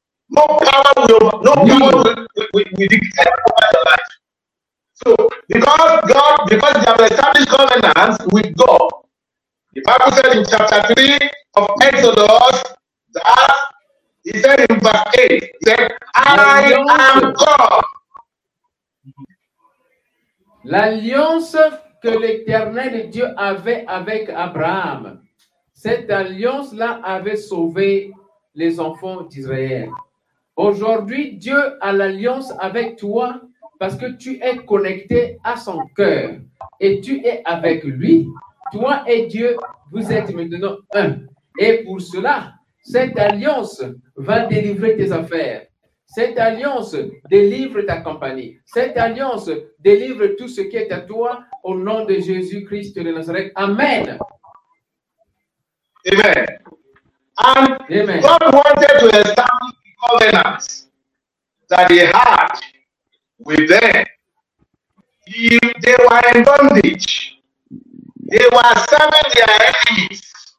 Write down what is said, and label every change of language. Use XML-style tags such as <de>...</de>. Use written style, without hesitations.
<en>No power will dictate over your life. So because they have established covenant with God, the Bible said in chapter 3 of Exodus that he said in verse 8, he said, I am God.</en> <fr>L'alliance que l'Éternel Dieu avait avec Abraham, cette alliance-là avait sauvé les enfants d'Israël. Aujourd'hui, Dieu a l'alliance avec toi parce que tu es connecté à son cœur et tu es avec lui. Toi et Dieu, vous êtes maintenant un. Et pour cela, cette alliance va délivrer tes affaires. Cette alliance délivre ta compagnie. Cette alliance délivre tout ce qui est à toi au nom de Jésus-Christ de Nazareth. Amen.</fr> <en>Amen. And Amen. God wanted to establish the covenant that he had with them. They were in bondage. They were serving their enemies.</en>